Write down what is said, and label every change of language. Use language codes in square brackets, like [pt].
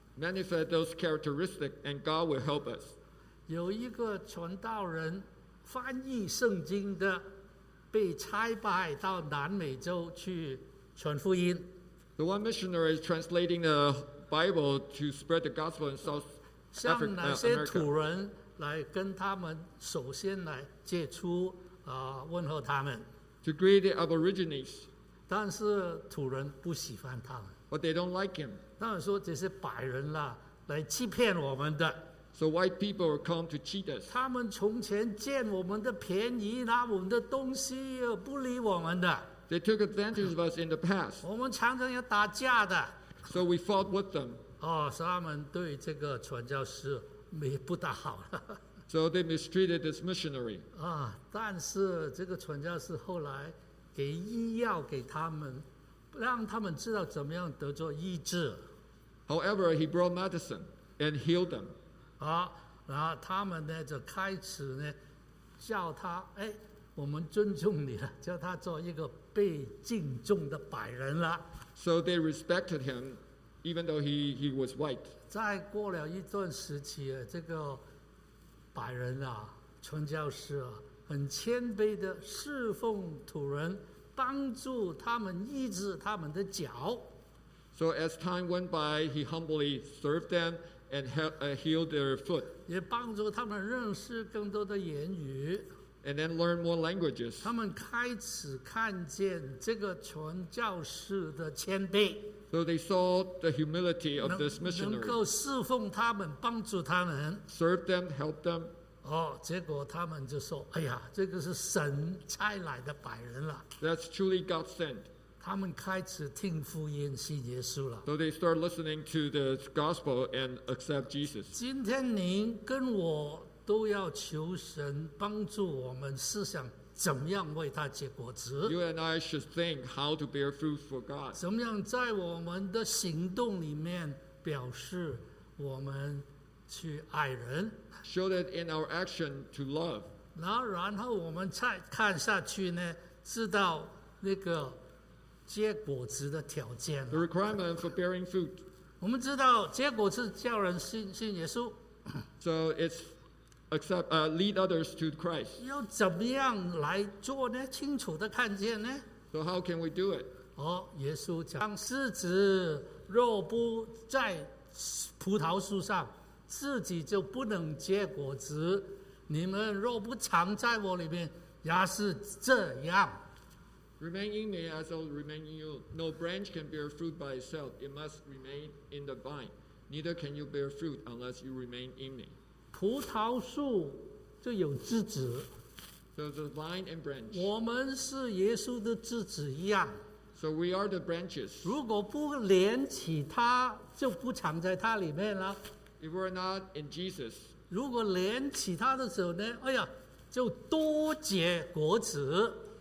[en] Manifest those characteristics and God will help us. [zh] 有一个传道人翻译圣经的，被差派到南美洲去传福音。 [en] The one missionary is translating the Bible to spread the gospel in South Africa. [zh] 向哪些土人来跟他们首先来接触，问候他们。 [en] To greet the aborigines. [zh] 但是土人不喜欢他们。 [en] But they don't like him. [zh] 他们说这是白人啦，来欺骗我们的。 [en] So white people come to cheat us. [zh] 他们从前占我们的便宜，拿我们的东西，不理我们的。 [en] They took advantage of us in the past. [zh] 我们常常要打架的。 [en] So we fought with them. [zh] 所以他们对这个传教士没不大好了。 [en] So they mistreated this missionary. [zh] 但是这个传教士后来给医药给他们，让他们知道怎么样得着医治。 [en] However, he brought medicine and healed them. [zh] 然后他们呢就开始呢叫他，我们尊重你了，叫他做一个被敬重的白人了。 [en] So they respected him, even though he was white. [zh] 再过了一段时期，这个白人啊，传教士啊，很谦卑的侍奉土人，帮助他们医治他们的脚。 [en] So as time went by, he humbly served them and healed their foot. [zh] 也帮助他们认识更多的言语。 [en] And then learn more languages. [zh] 他们开始看见这个传教士的谦卑。 [en] So they saw the humility of this missionary. [zh] 能够侍奉他们，帮助他们。 [en] Serve them, help them. [zh] 结果他们就说，哎呀，这个是神差来的白人了。 [en] That's truly God sent. [zh] 他们开始听福音，信耶稣了。 [en] So they start listening to the gospel and accept Jesus. [zh] 今天您跟我都要求神帮助我们思想怎么样为他结果子。 [en] You and I should think how to bear fruit for God. [zh] 怎么样在我们的行动里面表示我们去爱人。 [en] Show that in our action to love. [zh] 然后我们再看下去呢，知道那个结果子的条件。 [en] The requirement for bearing fruit. [zh] 我们知道结果是叫人信耶稣。 [en] So it's Accept, lead others to Christ. [zh] 要怎么样来做呢？清楚的看见呢？ [en] So how can we do it? [zh] 耶稣讲，狮子若不在葡萄树上，自己就不能结果子。你们若不藏在我里面，也是这样。 [en] Remain in me, as I remain in you. No branch can bear fruit by itself; it must remain in the vine. Neither can you bear fruit unless you remain in me. [zh] 葡萄树就有枝子。 [en] So the vine and branch. [zh] 我们是耶稣的枝子一样。 [en] So we are the branches. [zh] 如果不连起它，就不藏在它里面了。 [en] If we're not in Jesus. [zh] 如果连起它的时候呢，哎呀，就多结果子。